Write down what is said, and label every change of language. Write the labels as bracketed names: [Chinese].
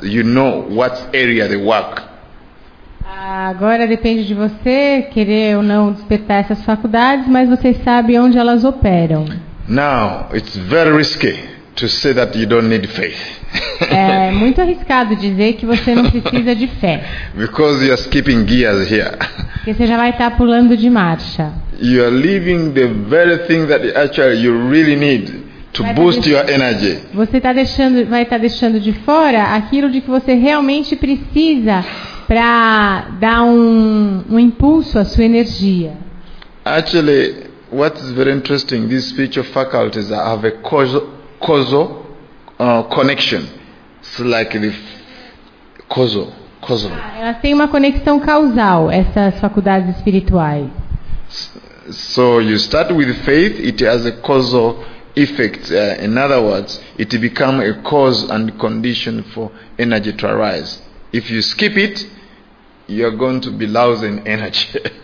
[English] You know what area they work. [Portuguese] Agora depende de você querer ou não despertar essas faculdades, mas você sabe onde elas operam. [English] Now it's very risky. To say that you don't need faith. [Portuguese] É muito arriscado dizer que você não precisa de fé. [English] Because you are skipping gears here. [Portuguese] Porque você já vai estar pulando de marcha. [English] You are leaving the very thing that actually you really need to boost your energy. [Portuguese] Você está deixando, vai estar deixando de fora aquilo de que você realmente precisa para dar um impulso à sua energia. [English] Actually, what is very interesting, these spiritual faculties have a causal connection. It's like the causal. [Portuguese] Elas têm uma conexão causal, essas faculdades espirituais. [English] So you start with faith, it has a causal effect. In other words, it becomes a cause and condition for energy to arise. If you skip it, you are going to be losing energy.